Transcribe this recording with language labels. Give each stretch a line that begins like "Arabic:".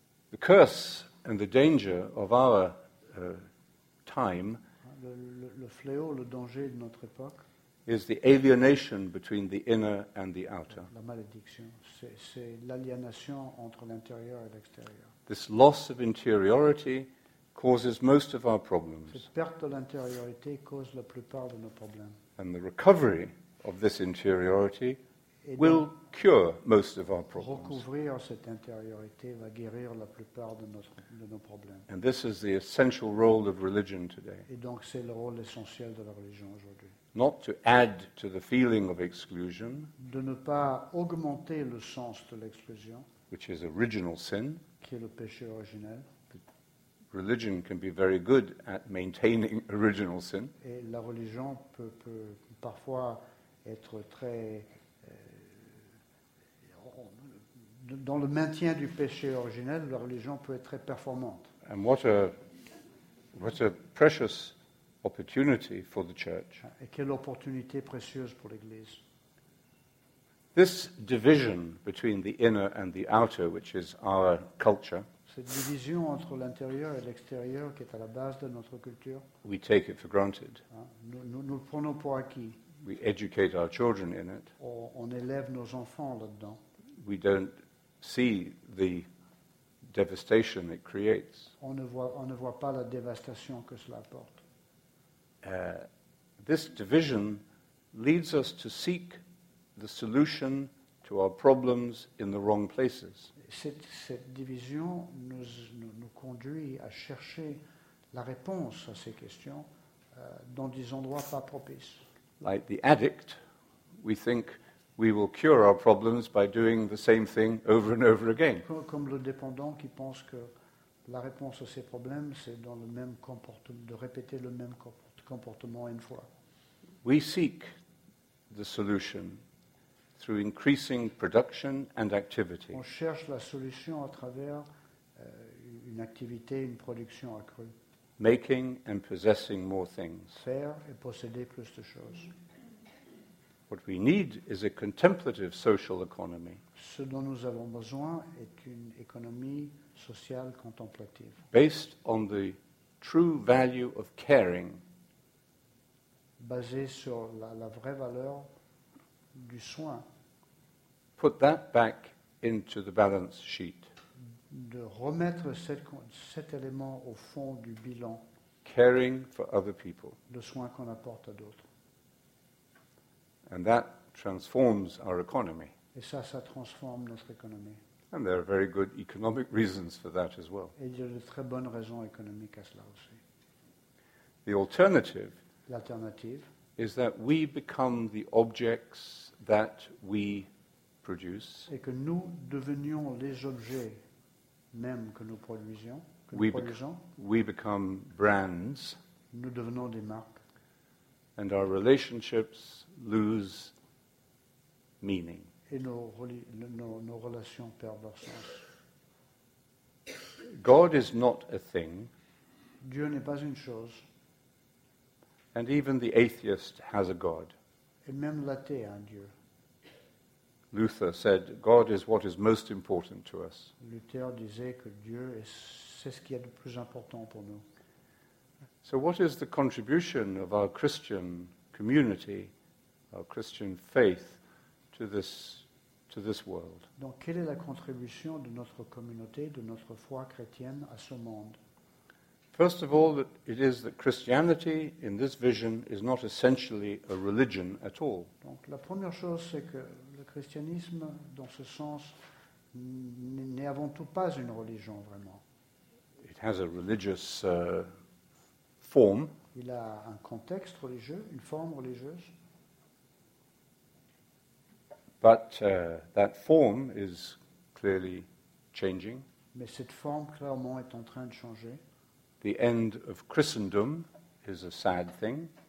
English: The curse and the danger of our time,
French: le fléau, le danger de notre époque,
English: is the alienation between the inner and the outer.
French: La malédiction, c'est l'aliénation entre l'intérieur et l'extérieur.
English: This loss of interiority causes most of our problems.
French: Cette perte de l'intériorité cause la plupart de nos problèmes.
English: And the recovery of this interiority will cure most of our problems.
French: Recouvrir cette intériorité va guérir la plupart de nos problèmes.
English: And this is the essential role of religion today.
French: Et donc c'est le rôle essentiel de la religion aujourd'hui.
English: Not to add to the feeling of exclusion.
French: De ne pas augmenter le sens de l'exclusion.
English: Which is original sin.
French: Qui est le péché originel,
English: religion can be very good at maintaining original sin.
French: Et la religion peut parfois être très dans le maintien du péché originel. La religion peut être très performante.
English: And what a precious opportunity for the church.
French: Et quelle opportunité précieuse pour l'Église.
English: This division between the inner and the outer, which is our culture,
French: cette division entre l'intérieur et l'extérieur qui est à la base de notre culture,
English: we take it for granted.
French: Nous le prenons pour acquis.
English: We educate our children in it.
French: On élève nos enfants là-dedans.
English: We don't see the devastation it creates.
French: On ne voit pas la dévastation que cela apporte.
English: This division leads us to seek the solution to our problems in the wrong places.
French: Cette division nous conduit à chercher la réponse à ces questions dans des endroits pas propices.
English: Like the addict, we think we will cure our problems by doing the same thing over and over again.
French: Comme le dépendant qui pense que la réponse à ses problèmes, c'est dans le même comportement, de répéter le même comportement une fois.
English: We seek the solution through increasing production and activity.
French: On cherche la solution à travers une activité, une production accrue.
English: Making and possessing more things.
French: Faire et posséder plus de choses.
English: What we need is a contemplative social economy.
French: Ce dont nous avons besoin est une économie sociale contemplative.
English: Based on the true value of caring.
French: Basée sur la vraie valeur du soin.
English: Put that back into the balance sheet.
French: De remettre cet élément au fond du bilan.
English: Caring for other people.
French: Le soin qu'on apporte à d'autres.
English: And that transforms our economy.
French: Et ça transforme notre économie.
English: And there are very good economic reasons for that as well.
French: Et il y a de très bonnes raisons économiques à cela aussi.
English: The alternative.
French: L'alternative.
English: Is that we become the objects that we produce.
French: Et que nous devenions les objets même que nous produisions.
English: We become brands.
French: Nous devenons des marques.
English: And our relationships lose meaning.
French: Et nos relations perdent leur sens.
English: God is not a thing.
French: Dieu n'est pas une chose.
English: And even the atheist has a God.
French: Et même l'athée a un Dieu.
English: Luther said, God is what is most important to us.
French: Luther disait que Dieu est ce qui est le plus important pour nous.
English: So what is the contribution of our Christian community, our Christian faith, to this world?
French: Donc quelle est la contribution de notre communauté, de notre foi chrétienne à ce monde?
English: First of all, it is that Christianity in this vision is not essentially a religion at all.
French: Donc la première chose, c'est que le christianisme, dans ce sens, n'est avant tout pas une religion, vraiment.
English: It has a religious form.
French: Il a un contexte religieux, une forme religieuse.
English: But that form is clearly changing.
French: Mais cette forme, clairement, est en train de changer.
English: The end of Christendom is a sad thing.